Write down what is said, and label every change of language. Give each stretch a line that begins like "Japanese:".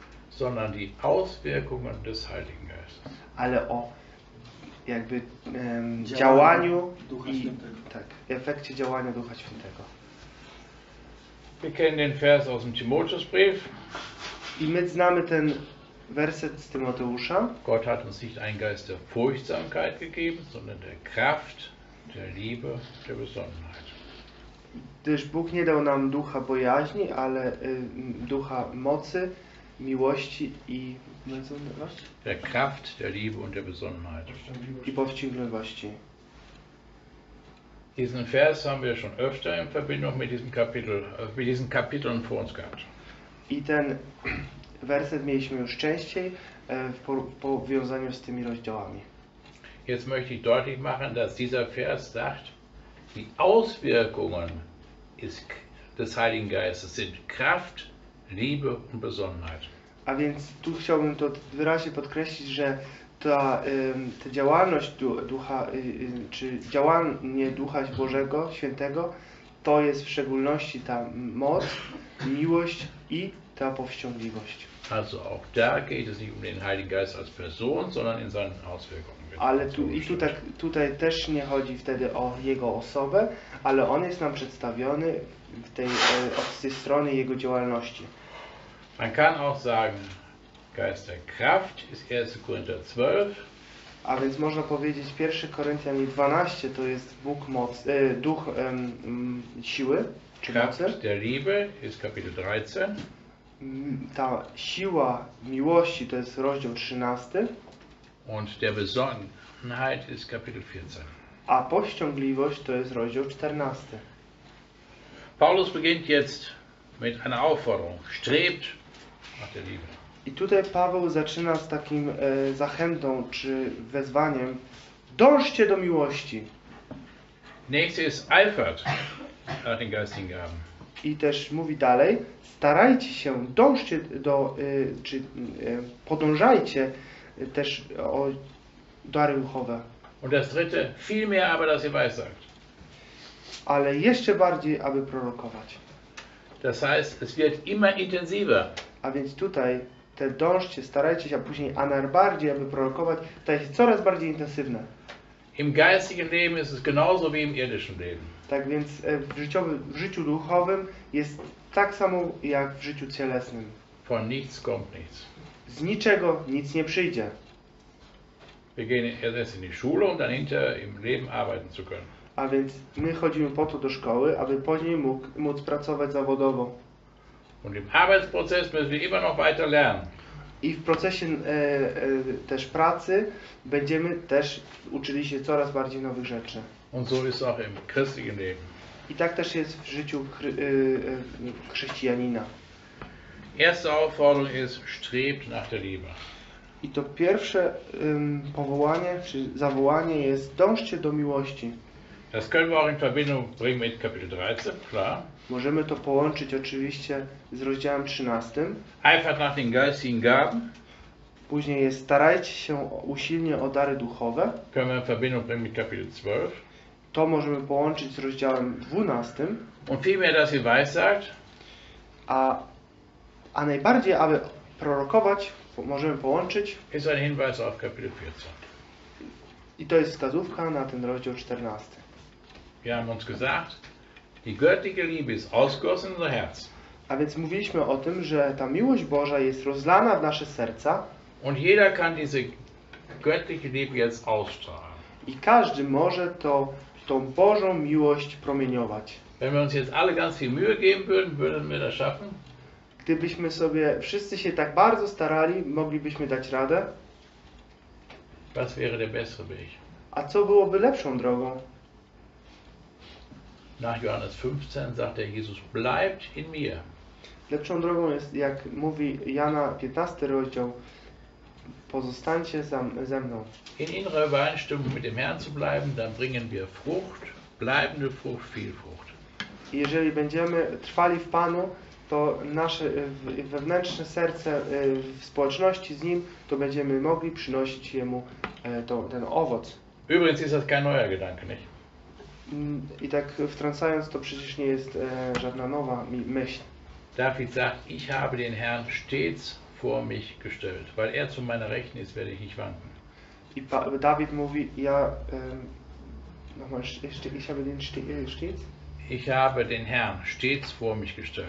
German: sondern die Auswirkungen des Heiligen Geistes.
Polish: Ale o jakby działaniu Ducha Świętego. Tak, efekcie działania Ducha Świętego.
German: Wir kennen den Vers aus dem Timotheusbrief.
Polish: I my znamy ten werset z Tymoteusza.
German: Gott hat uns nicht einen Geist der Furchtsamkeit gegeben, sondern der Kraft, der Liebe, der Besonnenheit.
Polish: Gdyż Bóg nie dał nam ducha bojaźni, ale ducha mocy, miłości i besonnenności.
German: Der Kraft, der Liebe und der Besonnenheit.
Polish: I powściągliwości.
German: Diesen Vers haben wir schon öfter in Verbindung mit diesem Kapitel, mit diesen Kapiteln vor uns gehabt.
Polish: I ten werset mieliśmy już częściej w powiązaniu z tymi rozdziałami.
German: Jetzt möchte ich deutlich machen, dass dieser Vers sagt, die Auswirkungen ist des Heiligen Geistes sind Kraft, Liebe und Besonnenheit.
Polish: A więc tu chciałbym to wyraźnie podkreślić, że ta, ta działalność ducha, czy działanie Ducha Bożego, Świętego, to jest w szczególności ta moc, miłość i ta powściągliwość.
German: Also auch da geht es nicht um den Heiligen Geist als Person, sondern in seinen Auswirkungen.
Polish: Ale tu, i tutaj, tutaj też nie chodzi wtedy o jego osobę, ale on jest nam przedstawiony w tej, od tej strony jego działalności.
German: Man kann auch sagen, Geist der Kraft ist 1. Korinther 12.
Polish: A więc można powiedzieć, 1. Koryntian 12 to jest Bóg moc, duch siły, czy
German: Kraft
Polish: mocy.
German: Der Liebe ist Kapitel 13.
Polish: Ta siła miłości to jest rozdział 13.
German: Und der Besonnenheit ist Kapitel 14.
Polish: A powściągliwość to jest rozdział 14.
German: Paulus beginnt jetzt mit einer Aufforderung. Strebt nach der Liebe.
Polish: I tutaj Paweł zaczyna z takim zachętą czy wezwaniem: dążcie do miłości.
German: Nächste ist eifert nach den geistigen Gaben.
Polish: I też mówi dalej: starajcie się, dążcie do, czy podążajcie też o dary duchowe.
German: Und das dritte, viel mehr aber, dass ihr weissagt.
Polish: Ale jeszcze bardziej, aby prorokować.
German: Das heißt, es wird immer intensiver.
Polish: A więc tutaj te dążcie, starajcie się, a później a najbardziej, aby prorokować, to jest coraz bardziej intensywne.
German: Im geistigen Leben ist es genauso wie im irdischen Leben.
Polish: Tak więc w życiu duchowym jest tak samo jak w życiu cielesnym.
German: Von nichts kommt nichts.
Polish: Z niczego nic nie przyjdzie.
German: Wir gehen erst in die Schule, um dann hinter im Leben arbeiten zu können.
Polish: A więc my chodzimy po to do szkoły, aby później móc pracować zawodowo.
German: Und im Arbeitsprozess müssen wir immer noch weiter lernen.
Polish: I w procesie też pracy będziemy też uczyli się coraz bardziej nowych rzeczy.
German: Und so ist auch im christlichen Leben.
Polish: I tak też jest w życiu chrześcijanina.
German: Erste Aufforderung ist, strebt nach der Liebe.
Polish: I to pierwsze powołanie, czy zawołanie jest, dążcie do miłości.
German: Das können wir auch in Verbindung bringen mit Kapitel 13, klar.
Polish: Możemy to połączyć oczywiście z rozdziałem 13.
German: Eifert nach den geistigen Gaben.
Polish: Później jest, starajcie się usilnie o dary duchowe.
German: Können wir in Verbindung bringen mit Kapitel 12.
Polish: To możemy połączyć z rozdziałem 12.
German: Und viel mehr, dass ihr weissagt.
Polish: A najbardziej, aby prorokować, możemy połączyć.
German: Ist ein Hinweis auf Kapitel 14.
Polish: I to jest wskazówka na ten rozdział 14.
German: Wir haben uns gesagt, die göttliche Liebe ist ausgossen in unser Herz.
Polish: A więc mówiliśmy o tym, że ta miłość Boża jest rozlana w nasze serca.
German: Und jeder kann diese göttliche Liebe jetzt ausstrahlen.
Polish: I każdy może to, tą Bożą miłość promieniować.
German: Wenn wir uns jetzt alle ganz viel Mühe geben würden, würden wir das schaffen?
Polish: Gdybyśmy sobie wszyscy się tak bardzo starali, moglibyśmy dać radę.
German: Was wäre der bessere Weg?
Polish: A co byłoby lepszą drogą?
German: Nach Johannes 15 sagt der Jesus, bleibt in mir.
Polish: Lepszą drogą jest, jak mówi Jana 15 rozdział, pozostańcie ze mną.
German: In innerer Übereinstimmung mit dem Herrn zu bleiben, dann bringen wir Frucht, bleibende Frucht, viel Frucht.
Polish: Jeżeli będziemy trwali w Panu, to nasze wewnętrzne serce w społeczności z Nim, to będziemy mogli przynosić Jemu ten owoc.
German: Übrigens ist das kein neuer Gedanke, nicht?
Polish: I tak wtrącając, to przecież nie jest żadna nowa myśl.
German: David sagt, ich habe den Herrn stets vor mich gestellt, weil zu meiner Rechten ist, werde ich nicht wanken.
Polish: I David mówi, ja
German: nochmal, ich habe den stets? Ich habe den Herrn stets vor mich gestellt.